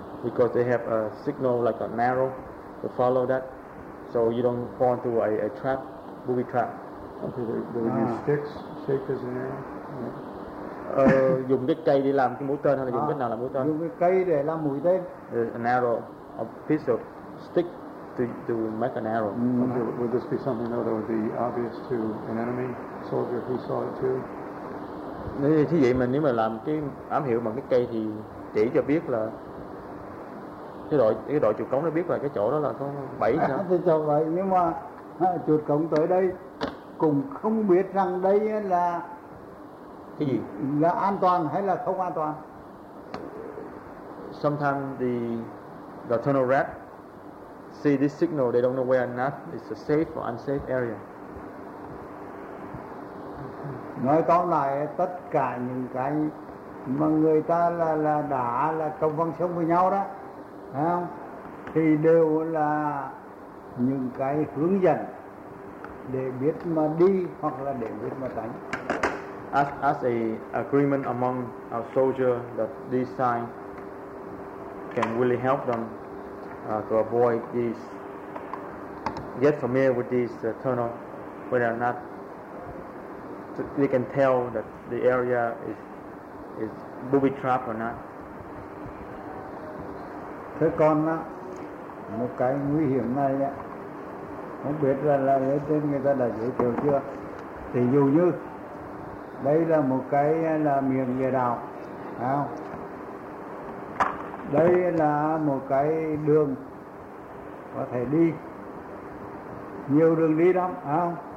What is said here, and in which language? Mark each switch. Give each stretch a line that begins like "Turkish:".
English: Because they have a signal like an arrow to follow that, so you don't fall into a trap, booby trap. Okay, use sticks, shakers and arrows.
Vietnamese: Dùng cái cây để làm cái mũi tên hay là dùng cái nào làm mũi tên? Dùng cái cây để làm mũi tên.
English: An arrow, a piece of stick to make an arrow. Mm-hmm. Okay, would this be something that would be obvious to an enemy soldier who saw it too?
Vietnamese: Thì vậy mình nếu mà làm cái ám hiệu bằng cái cây thì chỉ cho biết là cái đội chuột cống nó biết là cái chỗ đó là có bẫy sao? Thì cho vậy, nhưng mà chuột cống tới đây cũng không biết rằng đây là cái gì, là an toàn hay là không an toàn.
English: Sometimes the tunnel rat see this signal, they don't know where or not it's a safe or unsafe area.
Vietnamese: Nói tóm lại, tất cả những cái mà người ta là đã là công văn sống với nhau đó, thấy không, thì đều là những cái hướng dẫn để biết mà đi hoặc là để biết mà tránh.
English: As a agreement among our soldier that this sign can really help them to avoid this, get familiar with this tunnel, whether or not they can tell that the area is booby trap or not.
Vietnamese: Thế còn á, một cái nguy hiểm này á, không biết là lên trên người ta đã giới thiệu chưa, thì dù như đây là một cái là miệng địa đạo, phải không, đây là một cái đường có thể đi nhiều đường đi lắm, phải không.